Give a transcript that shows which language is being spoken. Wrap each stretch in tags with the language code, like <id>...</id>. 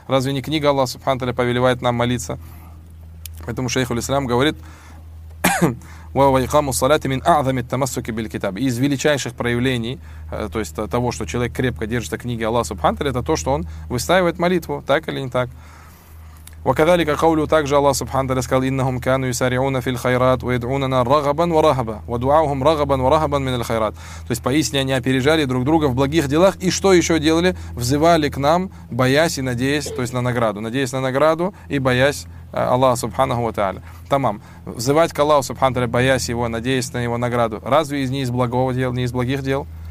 <ru>Разве не книга Аллаха Субханаху Тааля повелевает нам молиться? Поэтому шейх аль-Ислам говорит:</ru> <ar>«Вайхаму салати мин а'замит тамассуки биль китаб».</ar> <ru>Из величайших проявлений, то есть того, что человек крепко держит о книге Аллаха Субханаху Тааля, это то, что он выстаивает молитву, так или не так.</ru> <ar>وكذلك قوله</ar> <ru>также</ru> <ar>الله سبحانه وتعالى قال انهم كانوا يسارعون في الخيرات ويدعوننا رغبا ورهبا ودعاؤهم رغبا ورهبا من الخيرات.</ar> <ru>То есть поистине они опережали друг друга в благих делах, и что еще делали? Взывали к нам, боясь и надеясь, то есть на награду, надеясь на награду и боясь Аллаха субханаху ва тааля. Тамам. Взывать к Аллаху субханаху ва тааля, боясь его, надеясь на его награду. Разве из не из благого дел, не из благих дел?</ru>